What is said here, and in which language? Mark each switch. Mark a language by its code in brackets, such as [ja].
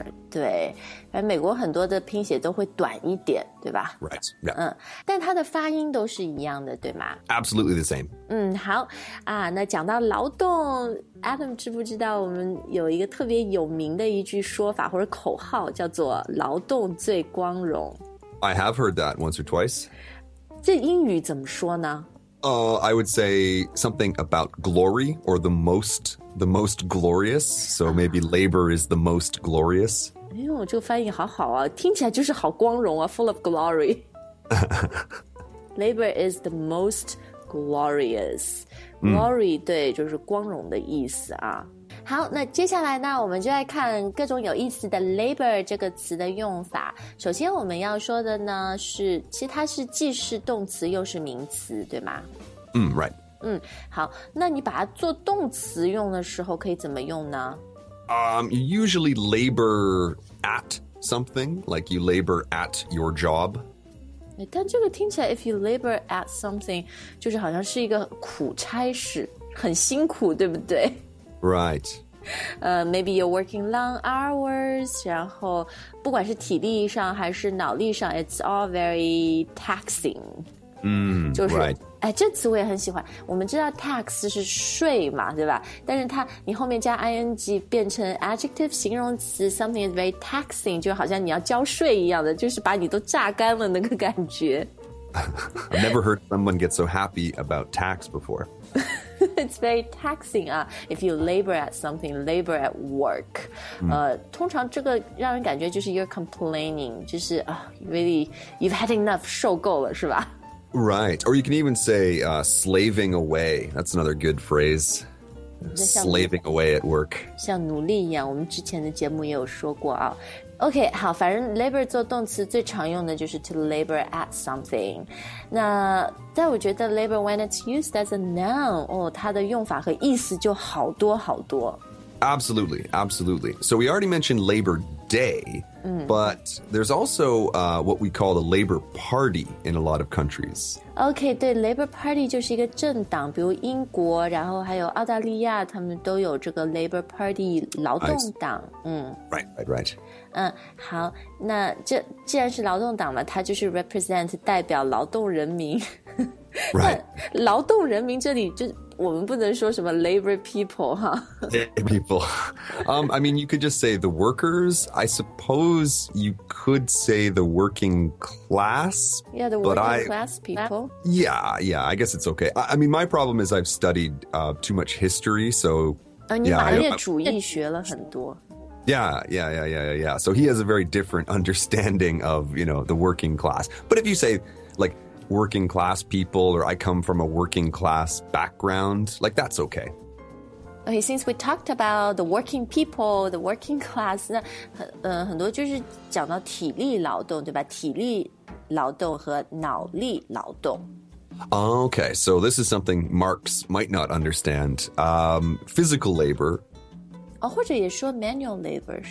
[zh] 对，美国很多的拼写都会短一点，对吧？ [en] Right. Yeah. [zh] 但它的发音都是一样的，对吗？ [en] Absolutely the same. [zh] 好啊，那讲到劳动， Adam 知不知道我们有一个特别有名的一句说法或者口号，叫做劳动最光荣。 [en] I have heard that once or twice. [zh] 这英语怎么说呢？ [en] I would say something about glory or the most glorious. So maybe labor is the most glorious. [zh] 哎呦，这个翻译好好啊，听起来就是好光荣啊， [en] full of glory. Labor is the most glorious. [zh] Glory, 对，就是光荣的意思啊。好，那接下来呢，我们就来看各种有意思的 labor 这个词的用法。首先我们要说的呢是，其实它是既是动词又是名词，对吗？ [en] right. [zh] 好，那你把它做动词用的时候可以怎么用呢？ [en] Usually labor at something, like you labor at your job. [zh] 但这个听起来 [en] if you labor at something, [zh] 就是好像是一个苦差事，很辛苦，对不对？ [en] Right. Maybe you're working long hours, [zh] 然后不管是体力上还是脑力上， [en] it's all very taxing. Right. [zh] 哎，这词我也很喜欢。我们知道 tax 是税嘛，对吧？但是它你后面加 ing 变成 adjective 形容词， [en] something is very taxing, [zh] 就好像你要交税一样的，就是把你都榨干了那个感觉。 [en] I've never heard someone get so happy about tax before. It's very taxing 啊 If you labor at something, labor at work、mm. [zh] 通常这个让人感觉就是 [en] you're complaining [zh] 就是、 [en] really you've had enough [zh] 受够了是吧 [en] Right, or you can even say、slaving away That's another good phrase Slaving away at work [zh] 像努力一样我们之前的节目也有说过啊OK, 好反正 labor 做动词最常用的就是 [en] to labor at something. [zh] 那但我觉得 [en] labor when it's used as a noun,、 [zh] oh, 它的用法和意思就好多好多。 [en] Absolutely, absolutely. So we already mentioned Labor Day,、mm. but there's also、what we call the Labor Party in a lot of countries. [zh] OK, 对 Labor Party 就是一个政党比如英国然后还有澳大利亚他们都有这个 Labor Party 劳动党。 [en] Right, right, right. [zh] 好那这既然是劳动党嘛它就是 represent 代表劳动人民。 [en] Right. [zh] 劳动人民这里就我们不能说什么 labor people, 哈。 [en] People. I mean, you could just say the workers. I suppose you could say the working class. Yeah, the working class people. Yeah, yeah, I guess it's okay. I mean, my problem is I've studied、too much history, so... [zh] 你马列主义学了很多。 [en] Yeah. So he has a very different understanding of, you know, the working class. But if you say, like, working class people, or I come from a working class background, like, that's okay. Okay, since we talked about the working people, the working class, [zh] 那很多就是讲到体力劳动，对吧？体力劳动和脑力劳动。 [en] Okay, so this is something Marx might not understand. Physical labor... [zh] 或者也说 manual labor.